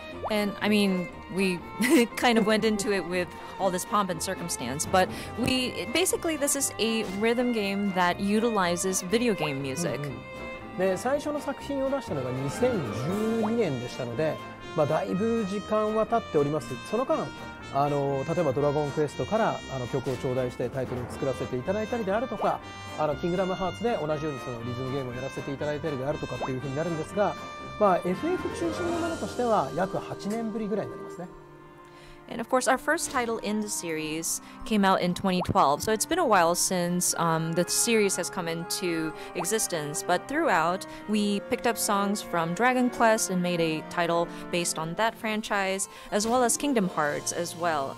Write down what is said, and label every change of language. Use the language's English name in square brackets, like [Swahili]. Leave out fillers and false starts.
[English] And I mean, we kind of went into it with all this pomp and circumstance, but we basically this is a rhythm game that utilizes video game music. [Japanese] で、最初の作品を出したのが2012年でしたので、まあ、だいぶ時間は経っております。その間、 例えばドラゴンクエストから曲を頂戴してタイトルを作らせていただいたりであるとか、キングダムハーツで同じようにそのリズムゲームをやらせていただいたりであるとかっていうふうになるんですが、まあ、FF中心のものとしては約8年ぶりぐらいになりますね。 [English] And of course, our first title in the series came out in 2012. So it's been a while since the series has come into existence. But throughout, we picked up songs from Dragon Quest and made a title based on that franchise, as well as Kingdom Hearts as well.